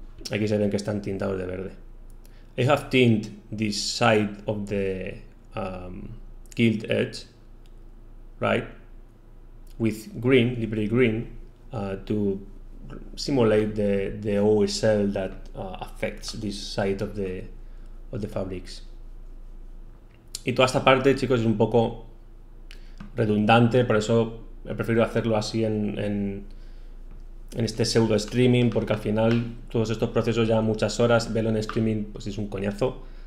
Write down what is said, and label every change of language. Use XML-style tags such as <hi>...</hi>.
<es>Aquí se ven que están tintados de verde.</es> <en>I have tinted this side of the gilt edge, right, with green, liberty green, to simulate the OSL that affects this side of the fabrics.</en> <es>Y toda esta parte, chicos, es un poco redundante, por eso he preferido hacerlo así en este pseudo streaming, porque al final todos estos procesos ya muchas horas, verlo en streaming, pues es un coñazo.</es>